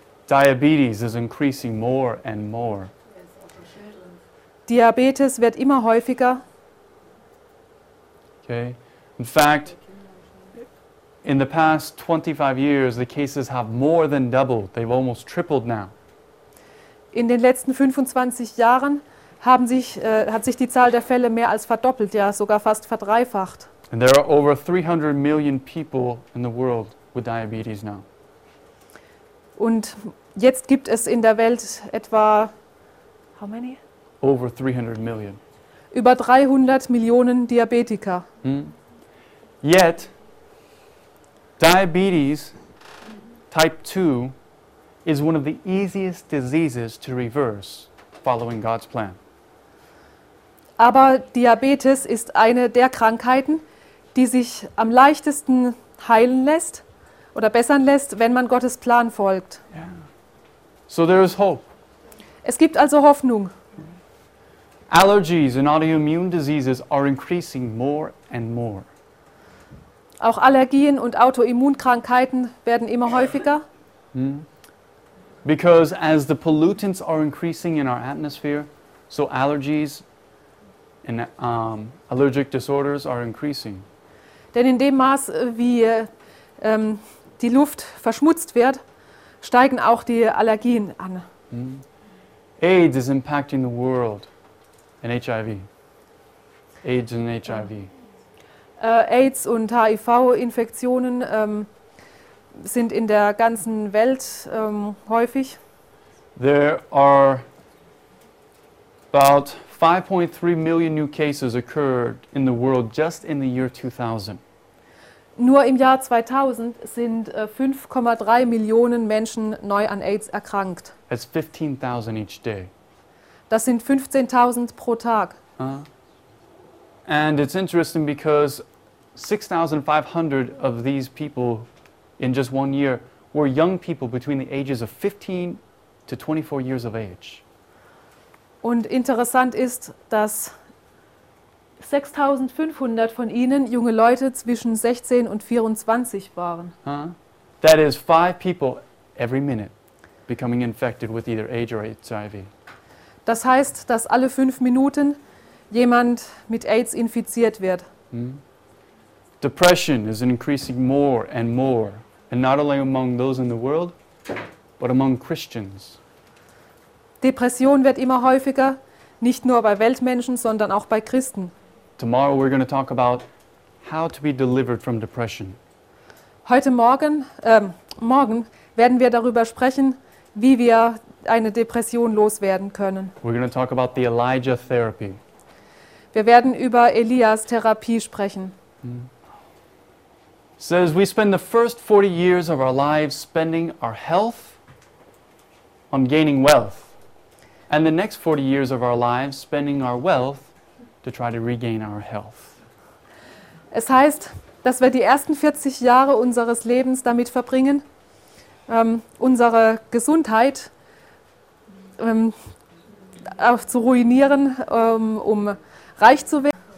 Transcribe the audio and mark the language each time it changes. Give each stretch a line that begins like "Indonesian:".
English: Diabetes is increasing more and more.
German: Diabetes wird immer häufiger. Okay.
English: In fact, in the past 25 years, the cases have more than doubled. They've almost tripled now.
German: In den letzten 25 Jahren hat sich die Zahl der Fälle mehr als verdoppelt, ja, sogar fast verdreifacht.
English: And there are over 300 million people in the world with diabetes now.
German: Und jetzt gibt es in der Welt etwa,
English: how many? Over 300 million.
German: Über 300 Millionen Diabetiker.
English: Yet, diabetes type 2 is one of the easiest diseases to reverse following God's plan.
German: Aber Diabetes ist eine der Krankheiten, die sich am leichtesten heilen lässt oder bessern lässt, wenn man Gottes Plan folgt.
English: So there is hope.
German: Es gibt also Hoffnung.
English: Allergies and autoimmune diseases are increasing more and more.
German: Auch Allergien und Autoimmunkrankheiten werden immer häufiger.
English: Because as the pollutants are increasing in our atmosphere, so allergies and allergic disorders are increasing.
German: Denn in dem Maß, wie die Luft verschmutzt wird, steigen auch die Allergien an.
English: AIDS is impacting the world. And HIV. AIDS and HIV.
German: AIDS und HIV-Infektionen sind in der ganzen Welt häufig.
English: There are about 5.3 million new cases occurred in the world just in the year 2000.
German: Nur im Jahr 2000 sind 5,3 Millionen Menschen neu an AIDS erkrankt.
English: That's 15,000 each day.
German: Das sind 15,000 pro Tag.
English: And it's interesting because 6,500 of these people in just one year were young people between the ages of 15 to 24 years of age.
German: Und interessant ist, dass 6,500 von ihnen junge Leute zwischen 16 und 24 waren.
English: That is 5 people every minute becoming infected with either AIDS or HIV.
German: Das heißt, dass alle 5 Minuten jemand mit AIDS infiziert wird.
English: Depression is increasing more and more, and not only among those in the world, but among Christians.
German: Depression wird immer häufiger, nicht nur bei Weltmenschen, sondern auch bei Christen.
English: Tomorrow we're going to talk about how to be delivered from depression.
German: Heute Morgen, morgen werden wir darüber sprechen, wie wir eine Depression loswerden können.
English: We're going to talk about the Elijah therapy.
German: Wir werden über Elias Therapie sprechen.
English: Says we spend the first 40 years of our lives spending our health on gaining wealth and the next 40 years of our lives spending our wealth to try to regain our health.
German: Es heißt, dass wir die ersten 40 Jahre unseres Lebens damit verbringen, unsere Gesundheit auch zu ruinieren, um reich zu werden.